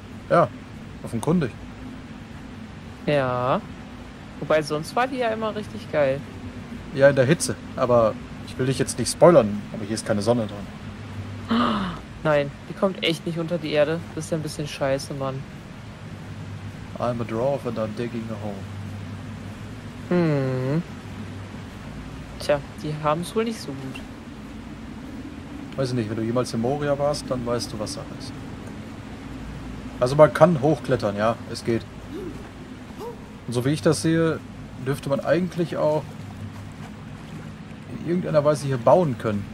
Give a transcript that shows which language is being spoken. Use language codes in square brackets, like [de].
[de] Ja, offenkundig. Ja. Wobei, sonst war die ja immer richtig geil. Ja, in der Hitze. Aber ich will dich jetzt nicht spoilern, aber hier ist keine Sonne drin. Nein, die kommt echt nicht unter die Erde. Das ist ja ein bisschen scheiße, Mann. [en] I'm a dwarf and I'm digging a hole. [de] Tja, die haben es wohl nicht so gut. Weiß ich nicht, wenn du jemals in Moria warst, dann weißt du, was Sache ist. Also man kann hochklettern, ja, es geht. Und so wie ich das sehe, dürfte man eigentlich auch in irgendeiner Weise hier bauen können.